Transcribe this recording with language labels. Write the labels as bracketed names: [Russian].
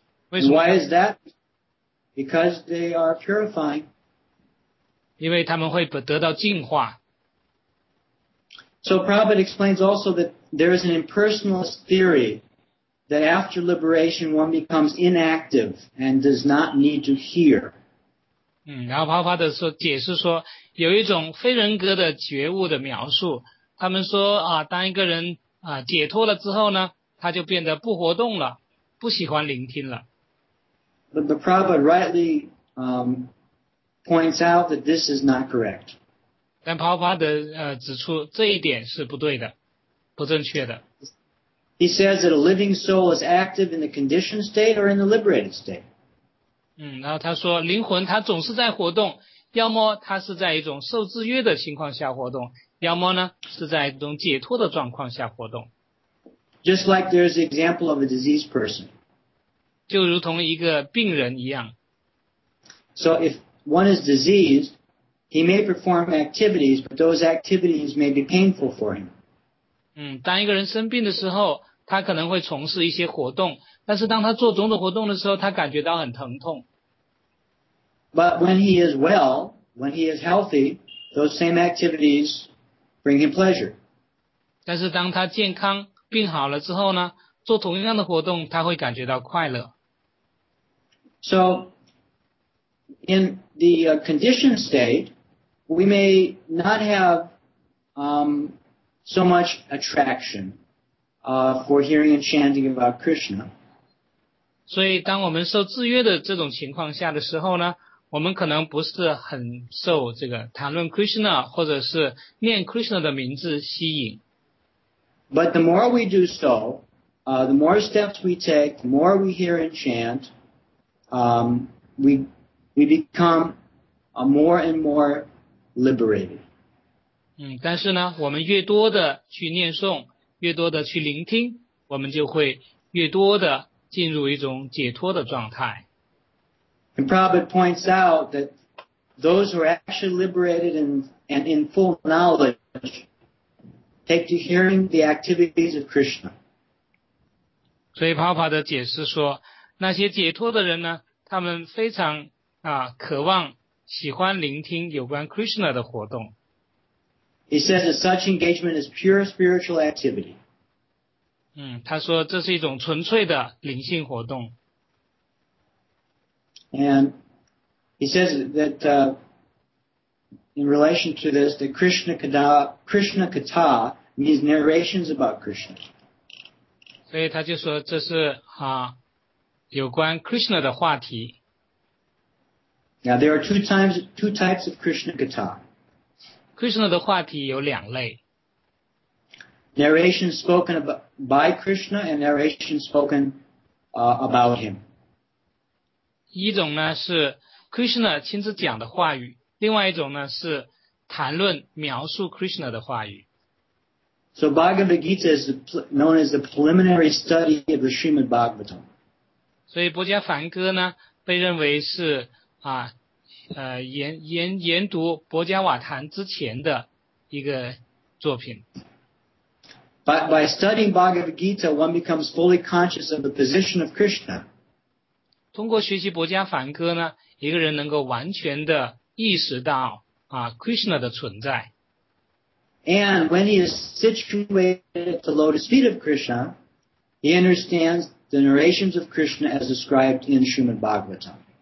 [English] Why is that? Why is that? Because they are purifying. [Chinese] 因为他们会得到净化。 [English] So Prabhupada explains also that there is an impersonalist theory that after liberation one becomes inactive and does not need to hear. [Chinese] 然后 Prabhupada 解释说有一种非人格的觉悟的描述，他们说当一个人解脱了之后呢，他就变得不活动了，不喜欢聆听了。 [English] But Prabhupada rightly points out that this is not correct. [Chinese] 但 Prabhupada 指出这一点是不对的，不正确的。 [English] He says that a living soul is active in the conditioned state or in the liberated state. [Chinese] 然后他说灵魂它总是在活动，要么它是在一种受制约的情况下活动，要么呢是在一种解脱的状况下活动。 [English] Just like there's an example of a diseased person. [Chinese] 就如同一个病人一样。 [English] So if one is diseased, he may perform activities, but those activities may be painful for him. [Chinese] 当一个人生病的时候，他可能会从事一些活动，但是当他做种种活动的时候，他感觉到很疼痛。 [English] But when he is well, when he is healthy, those same activities bring him pleasure. [Chinese] 但是当他健康病好了之后呢，做同样的活动他会感觉到快乐。 [English] So in the conditioned state, we may not have so much attraction for hearing and chanting about Krishna. [Chinese] 所以当我们受制约的这种情况下的时候呢，我们可能不是很受这个谈论 Krishna 或者是念 Krishna 的名字吸引。 [English] But the more we do so, the more steps we take, the more we hear and chant, we become more and more liberated. [Chinese] 但是呢，我们越多的去念诵，越多的去聆听，我们就会越多的进入一种解脱的状态。 [English] And Prabhupada points out that those who are actually liberated and in full knowledge take to hearing the activities of Krishna. [Chinese] 所以 Prabhupada 的解释说，那些解脱的人呢，他们非常渴望喜欢聆听有关 Krishna 的活动。 [English] He says that such engagement is pure spiritual activity. [Chinese] 他说这是一种纯粹的灵性活动。 [English] And he says that in relation to this, that Krishna Katha means narrations about Krishna. [Chinese] 所以他就说这是有关 Krishna 的话题。 [English] Now there are two types of Krishna Katha. [Chinese] Krishna 的话题有两类。 [English] Narration spoken by Krishna and narration spoken about him. [Chinese] 一种呢是 Krishna 亲自讲的话语，另外一种呢是谈论描述 Krishna 的话语。 [English] So Bhagavad Gita is known as the preliminary study of the Srimad Bhagavatam. [Chinese] 所以《博迦梵歌》呢被认为是研读《博迦瓦坛》之前的一个作品。 [English] By studying Bhagavad Gita, one becomes fully conscious of the position of Krishna. [Chinese] 通过学习博迦梵歌呢，一个人能够完全的意识到Krishna 的存在。 [English] And when he is situated at the lotus feet of Krishna, he understands the narrations of Krishna as described in Srimad Bhagavatam.